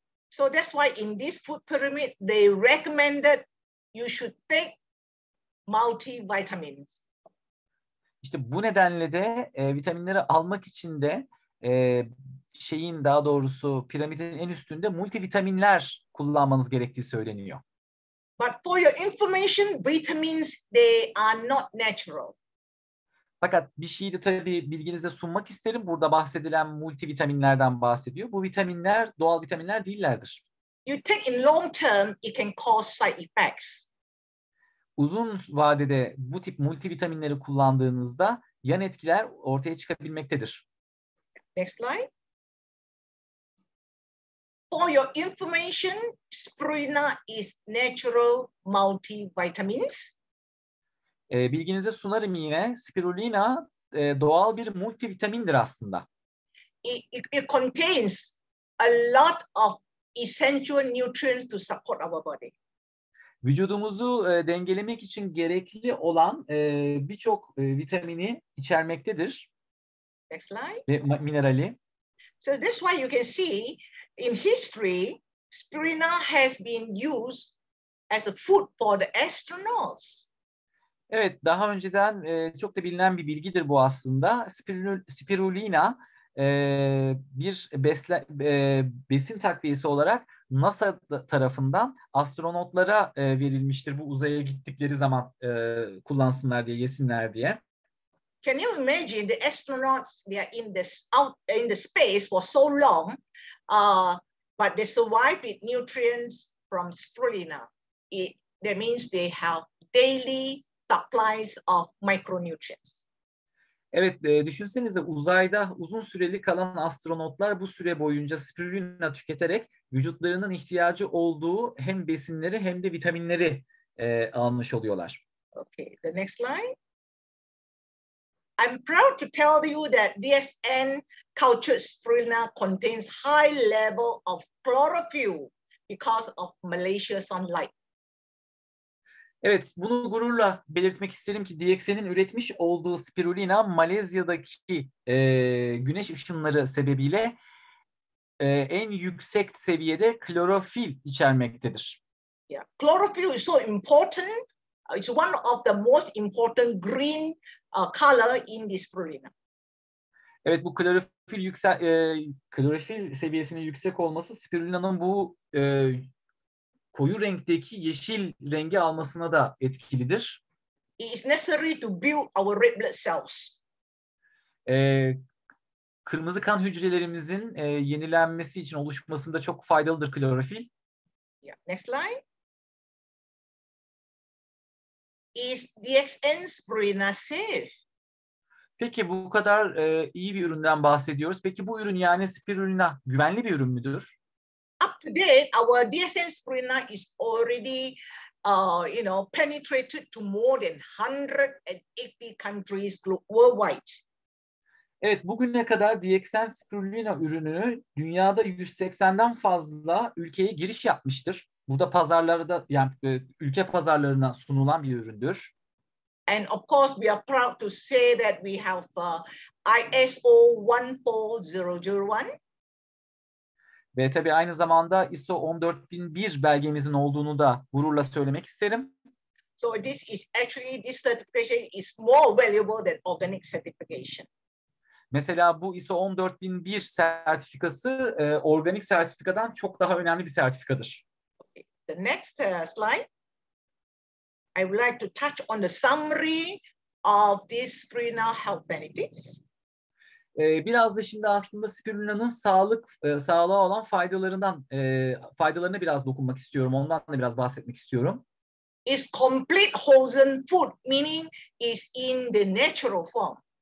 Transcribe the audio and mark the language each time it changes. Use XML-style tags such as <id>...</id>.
<en>So that's why in this food pyramid they recommended you should take multivitamins.</en> <tr>İşte bu nedenle de vitaminleri almak için de şeyin daha doğrusu piramidin en üstünde multivitaminler kullanmanız gerektiği söyleniyor.</tr> <en>But for your information, vitamins they are not natural.</en> <tr>Fakat bir şeyi de tabii bilginize sunmak isterim. Burada bahsedilen multivitaminlerden bahsediyor. Bu vitaminler doğal vitaminler değillerdir.</tr> <en>You take in long term, it can cause side effects.</en> <tr>Uzun vadede bu tip multivitaminleri kullandığınızda yan etkiler ortaya çıkabilmektedir.</tr> <en>Next slide. For your information, Spirulina is natural multivitamins.</en> <tr>Bilginize sunarım yine. Spirulina doğal bir multivitamindir aslında.</tr> <en>It contains a lot of essential nutrients to support our body.</en> <tr>Vücudumuzu dengelemek için gerekli olan birçok vitamini içermektedir</tr> <en>Next slide.</en> <tr>ve minerali.</tr> <en>So that's why you can see in history, spirulina has been used as a food for the astronauts.</en> <tr>Evet, daha önceden çok da bilinen bir bilgidir bu aslında. Spirulina bir besin takviyesi olarak NASA tarafından astronotlara verilmiştir bu uzaya gittikleri zaman kullansınlar diye, yesinler diye.</tr> <en>Can you imagine the astronauts they are in this out in the space for so long, but they survive with nutrients from spirulina. That means they have daily supplies of micronutrients.</en> <tr>Evet, düşünsenize uzayda uzun süreli kalan astronotlar bu süre boyunca spirulina tüketerek vücutlarının ihtiyacı olduğu hem besinleri hem de vitaminleri almış oluyorlar.</tr> <en>Okay, the next slide. I'm proud to tell you that DSN cultured spirulina contains high level of chlorophyll because of Malaysia sunlight.</en> <tr>Evet, bunu gururla belirtmek isterim ki DXN'in üretmiş olduğu spirulina Malezya'daki güneş ışınları sebebiyle en yüksek seviyede klorofil içermektedir.</tr> <en>Yeah, chlorophyll is so important. It's one of the most important green color in this spirulina.</en> <tr>Evet, bu klorofil seviyesinin yüksek olması spirulina'nın bu koyu renkteki yeşil rengi almasına da etkilidir.</tr> <en>It is necessary to build our red blood cells.</en> <tr>Kırmızı kan hücrelerimizin yenilenmesi için oluşmasında çok faydalıdır klorofil.</tr> <en>Yeah, next slide. Is DXN Spirulina</en> <tr>Peki bu kadar iyi bir üründen bahsediyoruz. Peki bu ürün yani spirulina güvenli bir ürün müdür?</tr> <en>safe? Up to date, our DXN Spirulina is already, penetrated to more than 180 countries worldwide.</en> <tr>Evet, bugüne kadar DXN Spirulina ürünü dünyada 180'den fazla ülkeye giriş yapmıştır. Bu da pazarlarda yani ülke pazarlarına sunulan bir üründür.</tr> <en>And of course, we are proud to say that we have ISO 14001.</en> <tr>Ve tabii aynı zamanda ISO 14001 belgemizin olduğunu da gururla söylemek isterim.</tr> <en>So this certification is more valuable than</en> <tr>Mesela bu ISO 14001 sertifikası organik sertifikadan çok daha önemli bir sertifikadır.</tr> <en>organic certification. Okay. The next slide. I would like to touch on the summary of these spirulina health benefits.</en> <tr>Biraz da şimdi aslında spirulina'nın sağlığa olan faydalarına biraz dokunmak istiyorum. Ondan da biraz bahsetmek istiyorum.</tr> <en>It's complete wholesome food, meaning it's in the natural form.</en>